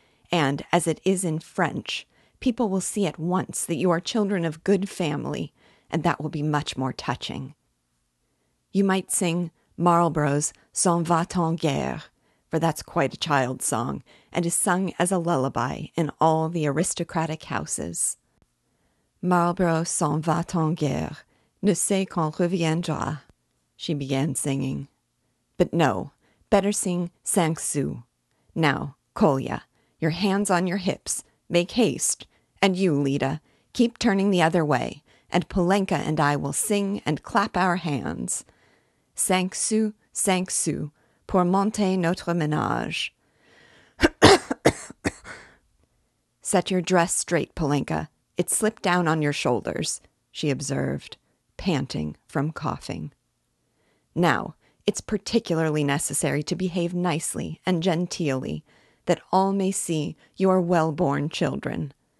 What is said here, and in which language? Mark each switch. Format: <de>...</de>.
<en>And as it is in French, people will see at once that you are children of good family, and that will be much more touching. You might sing Marlborough's S'en va-t'en guerre, for that's quite a child's song, and is sung as a lullaby in all the aristocratic houses.</en> <fr>Marlborough s'en va-t'en guerre, ne sait qu'on reviendra,</fr> <en>she began singing. But no, better sing Cinq sous. Now, Kolya, your hands on your hips, make haste, and you, Lida, keep turning the other way, and Polenka and I will sing and clap our hands.</en> <fr>Cinq sous, pour monter notre ménage.</fr> <en>Set your dress straight, Polenka. It slipped down on your shoulders, she observed, panting from coughing. Now, it's particularly necessary to behave nicely and genteelly, that all may see you are well-born children.</en>